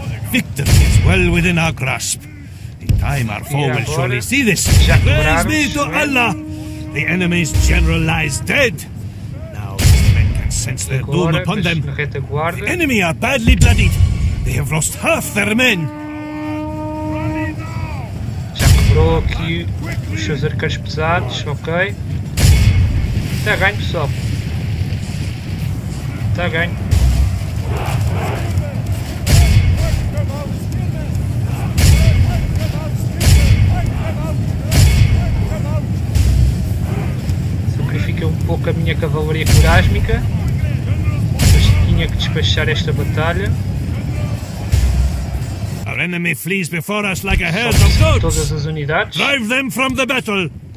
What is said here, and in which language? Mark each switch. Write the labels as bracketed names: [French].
[English] Victory is well within our grasp. In time, our foe will surely see this. Praise be to Allah! The enemy's general lies dead. Now these men can sense their doom upon them. The enemy are badly bloodied. They have lost half their men. [Portuguese] Já quebrou aqui os seus arqueiros pesados, ok. Está a ganho, pessoal. Está a ganho. Sacrifiquei um pouco a minha cavalaria corásmica. Mas tinha que despachar esta batalha. [English] Our enemy flees before us like a herd of goats. [Portuguese] Todas as unidades. [English] Drive them from the battle.